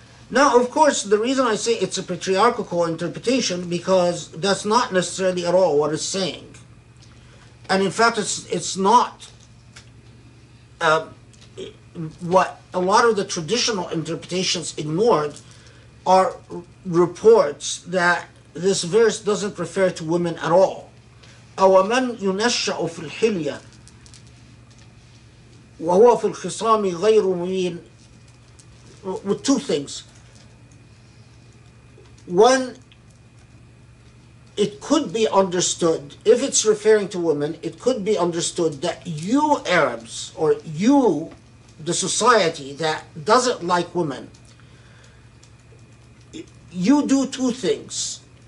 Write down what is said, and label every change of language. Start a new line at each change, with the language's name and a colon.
English: Now, of course, the reason I say it's a patriarchal interpretation, because that's not necessarily at all what it's saying. And in fact, it's not what a lot of the traditional interpretations ignored are reports that this verse doesn't refer to women at all.
Arabic: وَمَنْ يُنَشَّأُ فِي الْحِلْيَةِ وَهُوَ فِي الْخِصَامِ غَيْرُ مُبِينٍ,
English: with two things. One, it could be understood, if it's referring to women, it could be understood that you Arabs, or you, the society that doesn't like women, you do two things.